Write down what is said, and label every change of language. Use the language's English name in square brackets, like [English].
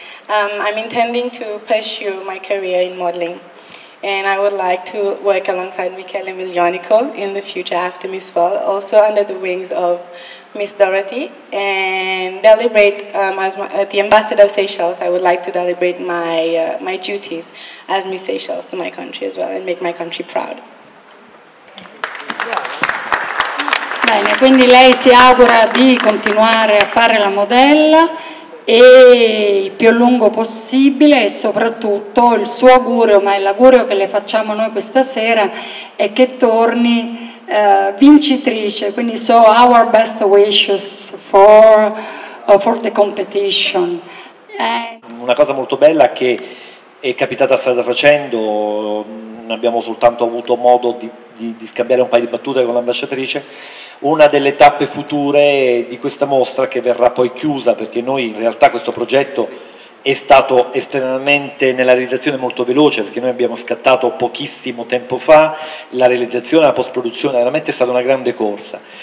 [English] I'm intending to pursue my career in modeling, and I would like to work alongside Michele Miglionico in the future after Miss World, also under the wings of Miss Dorothy, and deliberate as the ambassador of Seychelles. I would like to deliberate my duties as Miss Seychelles to my country as well, and make my country proud. [Italian] Bene, quindi lei si augura di continuare a fare la modella e il più a lungo possibile, e soprattutto il suo augurio, ma è l'augurio che le facciamo noi questa sera, è che torni vincitrice. Quindi [English] so our best wishes for the competition. [Italian] Una cosa molto bella che è capitata strada facendo, abbiamo soltanto avuto modo di scambiare un paio di battute con l'ambasciatrice. Una delle tappe future di questa mostra, che verrà poi chiusa, perché noi in realtà questo progetto è stato estremamente nella realizzazione molto veloce, perché noi abbiamo scattato pochissimo tempo fa la realizzazione, la post-produzione, veramente è stata una grande corsa.